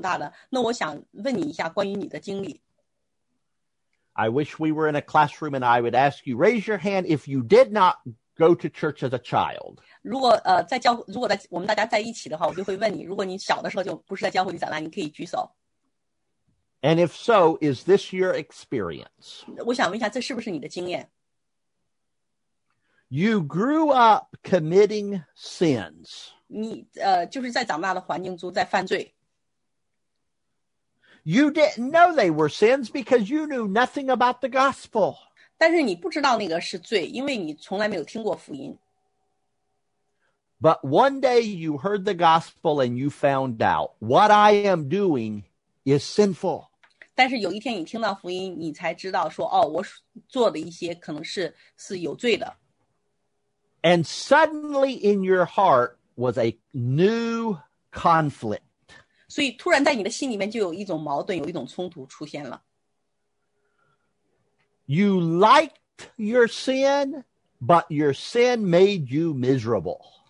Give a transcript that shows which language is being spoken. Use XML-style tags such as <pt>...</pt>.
<zh>然后，尤其是你们是从小不是在教会里长大的，那我想问你一下关于你的经历。</zh> <en>I wish we were in a classroom and I would ask you, raise your hand if you did not go to church as a child.</en> <zh>如果我们大家在一起的话,我就会问你,如果你小的时候就不是在教会里长大,你可以举手。</zh> <en>And if so, is this your experience?</en> <zh>我想问一下,这是不是你的经验?</zh> <en>You grew up committing sins.</en> <zh>你就是在长大的环境中在犯罪。</zh> <en>You didn't know they were sins because you knew nothing about the gospel.</en> <zh>但是你不知道那个是罪, 因为你从来没有听过福音。</zh> <en>But one day you heard the gospel and you found out what I am doing is sinful.</en> <zh>但是有一天你听到福音, 你才知道说, 哦, 我做的一些可能是有罪的。</zh> <en>And suddenly in your heart was a new conflict.</en> <zh>所以突然在你的心里面就有一种矛盾，有一种冲突出现了。</zh> <en>You liked your sin, but your sin made you miserable.</en>